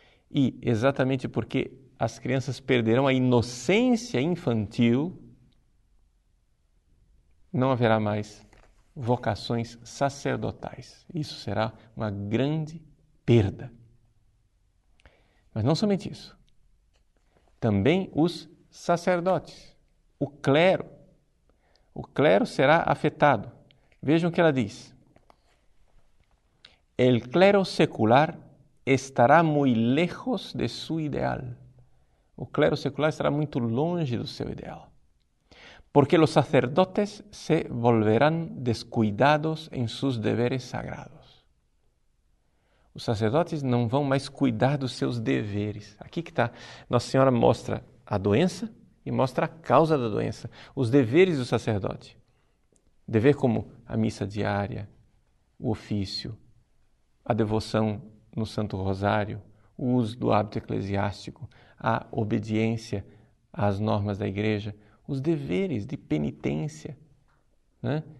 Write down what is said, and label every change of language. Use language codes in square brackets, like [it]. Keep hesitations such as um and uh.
[pt] E exatamente porque as crianças perderão a inocência infantil, não haverá mais vocações sacerdotais. Isso será uma grande perda. Mas não somente isso também os sacerdotes, o clero. O clero será afetado. Vejam o que ela diz: [es] El clero secular estará muy lejos de su ideal. [pt] O clero secular estará muito longe do seu ideal. [es] Porque los sacerdotes se volverán descuidados en sus deveres sagrados. [pt] Os sacerdotes não vão mais cuidar dos seus deveres. Aqui que está. Nossa Senhora mostra a doença e mostra a causa da doença, os deveres do sacerdote. Dever como a missa diária, o ofício, a devoção no Santo Rosário, o uso do hábito eclesiástico, a obediência às normas da igreja, os deveres de penitência, né?